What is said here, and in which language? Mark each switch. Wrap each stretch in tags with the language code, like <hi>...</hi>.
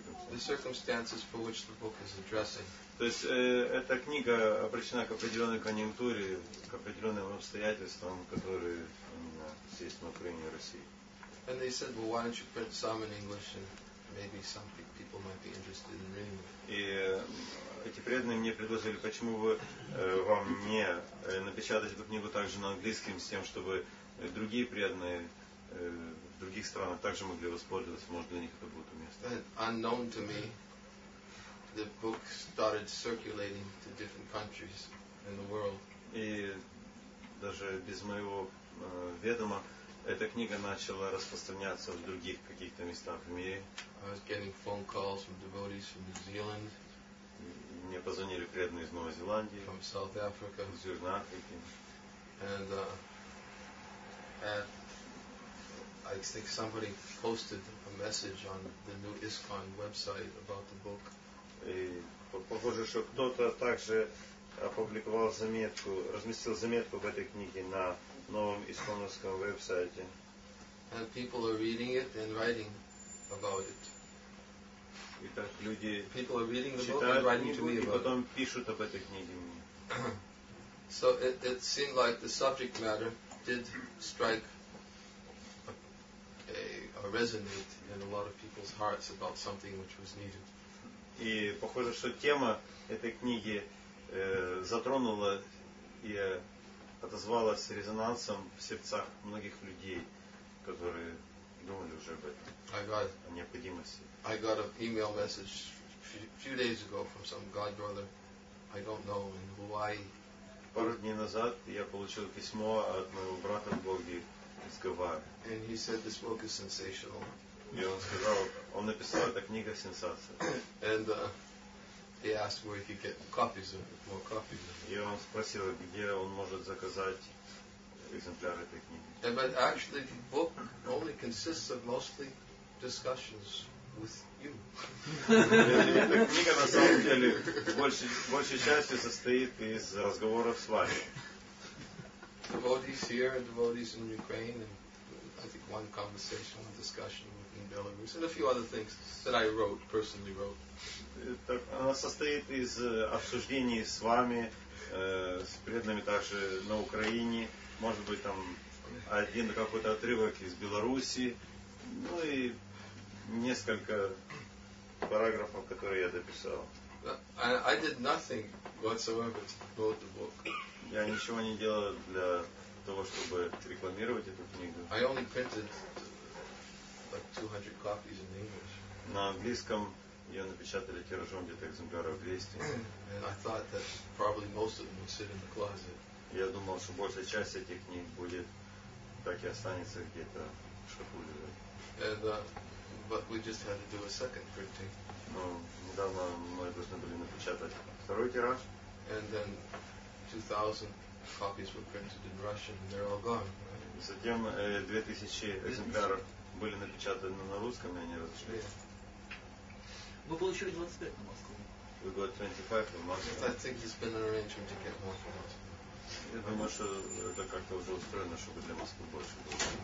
<en>the circumstances for which the book is addressing.</en> <ru>То есть эта книга обращена к определенной конъюнктуре, к определенным обстоятельствам, которые есть на Украине и России.</ru> <en>And they said, well, why don't you print some in English and maybe some people might be interested in reading it.</en> <ru>И эти преданные мне предложили, почему бы вам не напечатать эту книгу также на английском, с тем, чтобы другие преданные в других странах также могли воспользоваться, может, для них это будет уместно.</ru> <en>Unknown to me, the book started circulating to different countries in the world.</en> <ru>И даже без моего ведома эта книга начала распространяться в других каких-то местах в мире.</ru> <en>I was getting phone calls from devotees from New Zealand.</en> <ru>Мне позвонили преданные из Новой Зеландии.</ru> <en>From South Africa.</en> <ru>Из Южной Африки.</ru> <en>And I think somebody posted a message on the new ISKCON website about the book.</en> <ru>И похоже, что кто-то также опубликовал заметку, разместил заметку в этой книге на новом исконовском веб-сайте.</ru> <en>And people are reading it and writing about it.</en> <ru>И так люди</ru> <en>people are reading the</en> <ru>читают</ru> <en>book and writing</en> <ru>книгу</ru> <en>to me about</en> <ru>и потом пишут об этой книге мне.</ru> <en>So it seemed like the subject matter did strike a resonate in a lot of people's hearts about something which was needed.</en> <ru>И похоже, что тема этой книги затронула и отозвалась резонансом в сердцах многих людей, которые думали уже об этом. О необходимости.</ru> <en>I got an email message few days ago from some god brother I don't know in Hawaii.</en> <ru>Пару дней назад я получил письмо от моего брата в Боге.</ru> <en>And he said this book is sensational.</en> <ru>И он сказал, он написал, эта книга сенсация.</ru> <en>And he asked where he could get copies of it, more copies of it.</en> <ru>И он спросил, где он может заказать экземпляры этой книги.</ru> <en>And but actually the book only consists of mostly discussions with you.</en> <ru>Эта книга на самом деле большей частью состоит из разговоров с вами.</ru> <en>Devotees here and devotees in Ukraine and I think one conversation and discussion in Belarus and a few other things that I wrote, personally wrote.</en> <ru>Она состоит из обсуждений с вами, с преданными также на Украине, может быть там один какой-то отрывок из Беларуси, ну и несколько параграфов, которые я дописал.</ru> <en>I did nothing whatsoever to promote the book.</en> <ru>Я ничего не делал для того, чтобы рекламировать эту книгу.</ru> <en>I only printed like 200 copies in English.</en> <ru>На английском ее напечатали тиражом где-то экземпляров 200.</ru> <en>And I thought that probably most of them would sit in the closet.</en> <ru>Я думал, что большая часть этих книг будет так и останется где-то в шкафу.</ru> <en>But we just had to do a second printing.</en> <ru>Но недавно мы должны были напечатать второй тираж.</ru> <en>And then 2,000 copies were printed in Russian, and they're all gone. Right?</en> <ru>Затем 2,000 экземпляров были напечатаны на русском, и они разошлись. Вы получили 25 на Москву.</ru> <en>We got 25 from Moscow. I think it's been an arrangement to get more from Moscow.</en> <ru>Я думаю, что это как-то уже устроено, чтобы для Москвы больше было.</ru>